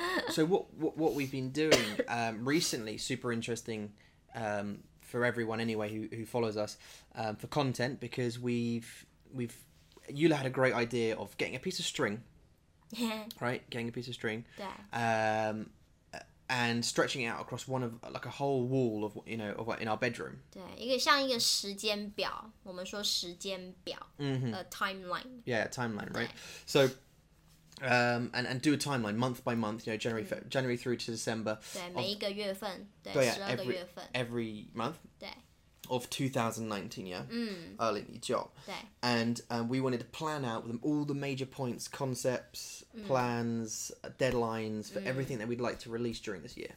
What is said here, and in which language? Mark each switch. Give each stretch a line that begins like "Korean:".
English: So what we've been doing recently, super interesting for everyone anyway who follows us for content, because we've Yula had a great idea of getting a piece of string. Yeah. Right, getting a piece of string. Yeah. And stretching it out across one of, like, a whole wall of, you know, of in our bedroom.
Chinese: 对，一个像一个时间表，我们说时间表
English: ，a timeline. Yeah, a timeline, right? So, and do a timeline month by month, you know, January through to December.
Chinese: 对，每一个月份，对，十二个月份。
English: Every month.
Chinese: 对。
English: Of 2019, yeah? 嗯。 Early in the job.
Chinese: 对。
English: And we wanted to plan out with them all the major points, concepts,plans, deadlines for everything that we'd like to release during this year.